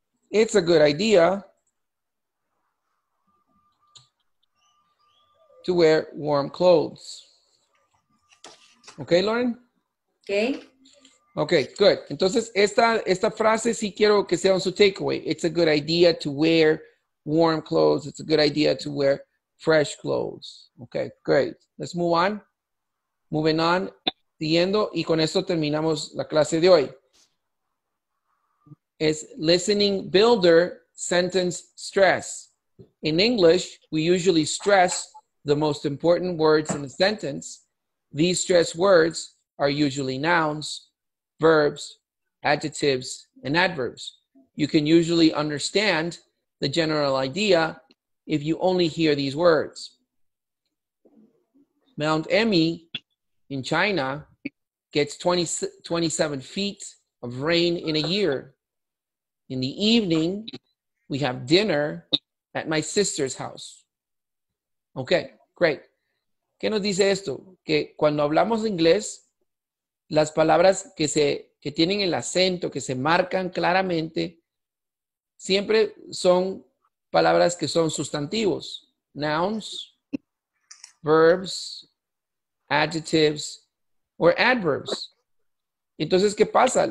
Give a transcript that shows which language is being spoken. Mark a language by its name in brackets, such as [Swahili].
[English] It's a good idea to wear warm clothes. Okay, Lauren? Okay. Okay, good. [Spanish] Entonces, esta frase sí quiero que sea su takeaway. [English] It's a good idea to wear warm clothes. It's a good idea to wear fresh clothes. Okay, great. Let's move on. Moving on. [Spanish] Siguiendo. Y con esto terminamos la clase de hoy. [English] It's listening builder sentence stress. In English, we usually stress the most important words in the sentence. These stress words are usually nouns, verbs, adjectives, and adverbs. You can usually understand the general idea if you only hear these words. Mount Emi in China gets 27 feet of rain in a year. In the evening, we have dinner at my sister's house. Okay, great. [Spanish] ¿Qué nos dice esto? Que cuando hablamos inglés, las palabras que tienen el acento, que se marcan claramente, siempre son palabras que son sustantivos, [English] nouns, verbs, adjectives, or adverbs. [Spanish] Entonces, ¿qué pasa?